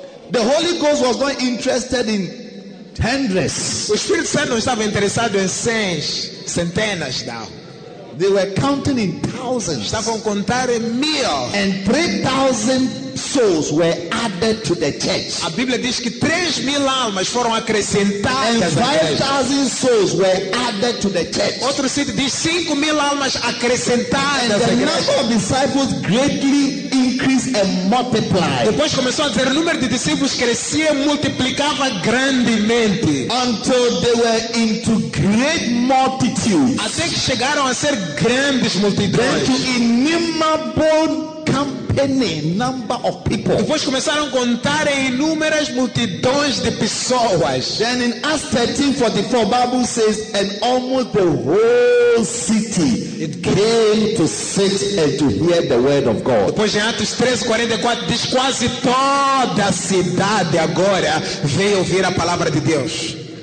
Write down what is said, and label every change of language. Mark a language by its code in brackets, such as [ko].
[en] The Holy Ghost was not interested in hundreds. [pt] O Espírito Santo não estava interessado em centenas, não. [en] They were counting in thousands. [pt] Estavam contando em mil. [en] And 3,000 souls were added to the church. [pt] A Bíblia diz que 3,000 almas foram acrescentadas. [en] And 5,000 souls were added to the church. [pt] Outro sítio diz 5,000 almas acrescentadas. [en] And the number of disciples greatly increased and multiplied. [pt] Depois começou a dizer o número de discípulos crescia e multiplicava grandemente. [en] Until they were into great multitudes. [pt] Até que chegaram a ser grandes multidões. [en] Into innumerable company number of people. [pt] Depois começaram a contar em inúmeras multidões de pessoas. [en] Then in Acts 13:44, Bible says, and almost the whole city came to sit and to hear the word of God. [pt] Depois em Atos 13:44 diz quase toda a cidade agora veio ouvir a palavra de Deus.